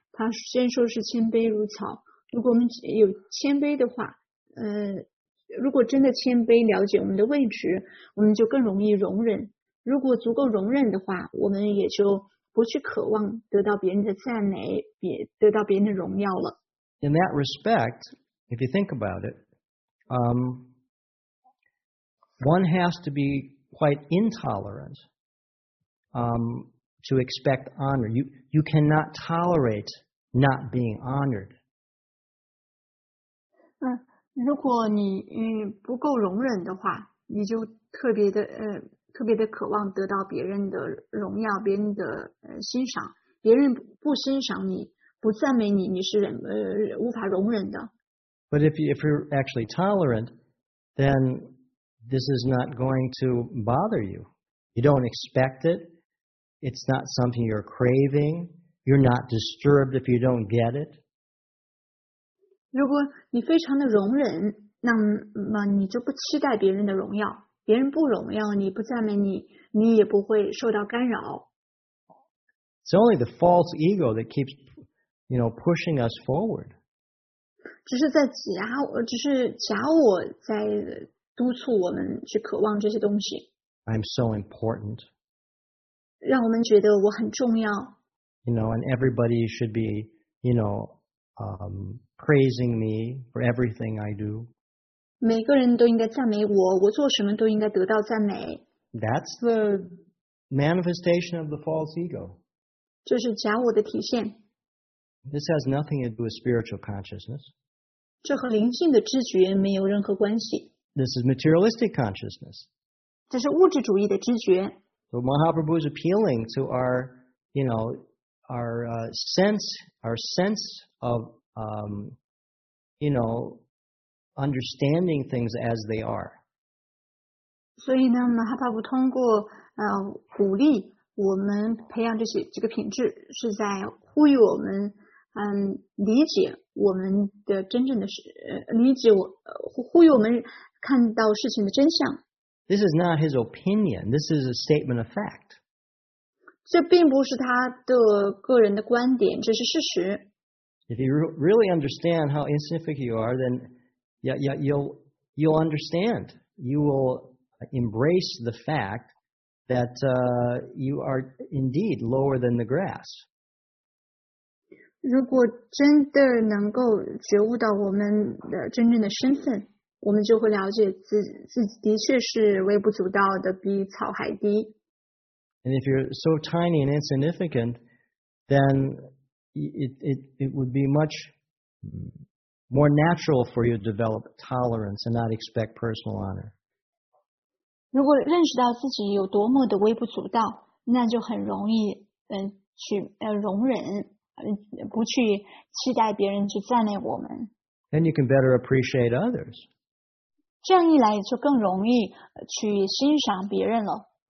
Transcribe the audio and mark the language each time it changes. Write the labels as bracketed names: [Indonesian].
[Chinese] 他先说是谦卑如草，如果我们有谦卑的话，如果真的谦卑了解我们的位置，我们就更容易容忍，如果足够容忍的话，我们也就不去渴望得到别人的赞美，得到别人的荣耀了。 [English] in that respect, if you think about it, one has to be quite intolerant to expect honor. You cannot tolerate not being honored. [Chinese] 如果你不够容忍的话，你就特别的渴望得到别人的荣耀，别人的欣赏。别人不欣赏你，不赞美你，你是无法容忍的。 [English] But if you're actually tolerant, then this is not going to bother you. You don't expect it. It's not something you're craving. You're not disturbed if you don't get it. [Chinese] 如果你非常的容忍，那么你就不期待别人的荣耀。别人不荣耀你，不赞美你，你也不会受到干扰。 [English] It's only the false ego that keeps, you know, pushing us forward. [Chinese] 只是假我在督促我们去渴望这些东西。 [English] I'm so important. [Chinese] 让我们觉得我很重要。 [English] You know, and everybody should be, you know, praising me for everything I do. [Chinese] 每个人都应该赞美我，我做什么都应该得到赞美。 [English] That's the manifestation of the false ego. [Chinese] 这是假我的体现。 [English] This has nothing to do with spiritual consciousness. [Chinese] 这和灵性的知觉没有任何关系。 [English] This is materialistic consciousness. [Chinese] 这是物质主义的知觉。 [English] So Mahaprabhu is appealing to our, you know, our sense of, you know, understanding things as they are. [Chinese] 所以呢，马哈帕布通过鼓励我们培养这个品质，是在呼吁我们理解我们的真正的理解呼吁我们看到事情的真相。 [English] This is not his opinion. This is a statement of fact. [Chinese] 这并不是他的个人的观点，这是事实。 [English] If you really understand how insignificant you are, then you'll understand. You will embrace the fact that you are indeed lower than the grass. [Chinese] 如果真的能够觉悟到我们的真正的身份，我们就会了解自己的确是微不足道的，比草还低。 [English] And if you're so tiny and insignificant, then it would be much more natural for you to develop tolerance and not expect personal honor. [Chinese] 如果认识到自己有多么的微不足道，那就很容易容忍，不去期待别人去赞美我们。 [English] And you can better appreciate others. [Chinese] 这样一来就更容易去欣赏别人了。